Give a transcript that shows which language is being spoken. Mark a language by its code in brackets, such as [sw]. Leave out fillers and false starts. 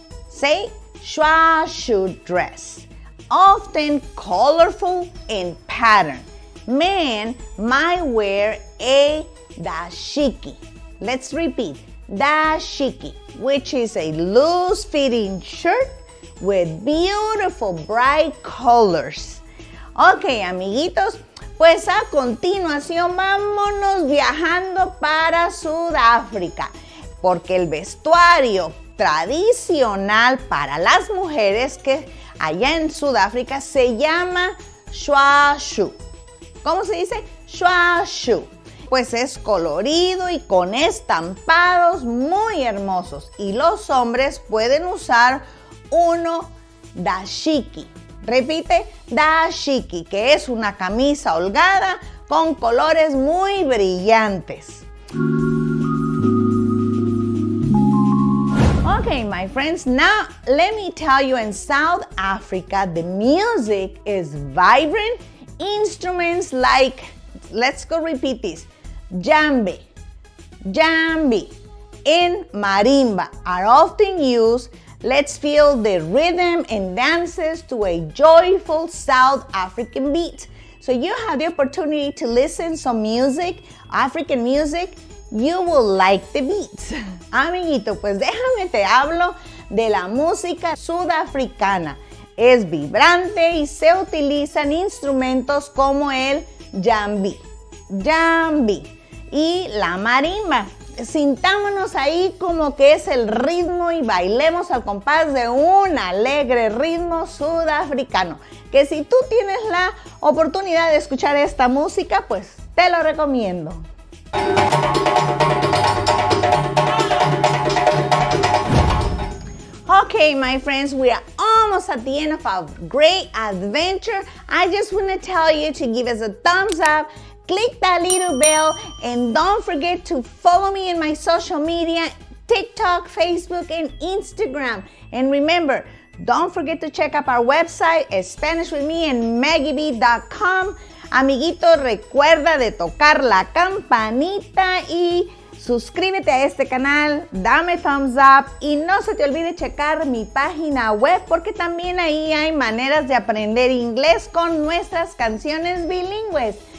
[en] Say shwashu dress, often colorful in pattern. Men might wear a dashiki. Let's repeat, dashiki, which is a loose fitting shirt with beautiful bright colors. [es] Okay, amiguitos, pues a continuación vámonos viajando para Sudáfrica, porque el vestuario tradicional para las mujeres que allá en Sudáfrica se llama shwashu. ¿Cómo se dice? Shwashu. pues es colorido y con estampados muy hermosos. Y los hombres pueden usar uno dashiki. Repite, dashiki, que es una camisa holgada con colores muy brillantes. [en] Okay, my friends, now let me tell you, in South Africa, the music is vibrant. Instruments like, let's go repeat this, djembe, djembe, and marimba are often used. Let's feel the rhythm and dances to a joyful South African beat. So you have the opportunity to listen some music, African music, you will like the beats. [es] Amiguito, pues déjame te hablo de la música sudafricana. Es vibrante y se utilizan instrumentos como el djembe, djembe y la marimba. Sintámonos ahí como que es el ritmo y bailemos al compás de un alegre ritmo sudafricano. Que si tú tienes la oportunidad de escuchar esta música, pues te lo recomiendo. [en] Okay, my friends, we are almost at the end of our great adventure. I just want to tell you to give us a thumbs up, click that little bell, and don't forget to follow me in my social media, TikTok, Facebook, and Instagram. And remember, don't forget to check out our website, Spanish with me and MaggieB.com. [es] Amiguito, recuerda de tocar la campanita y suscríbete a este canal, dame thumbs up y no se te olvide checar mi página web porque también ahí hay maneras de aprender inglés con nuestras canciones bilingües.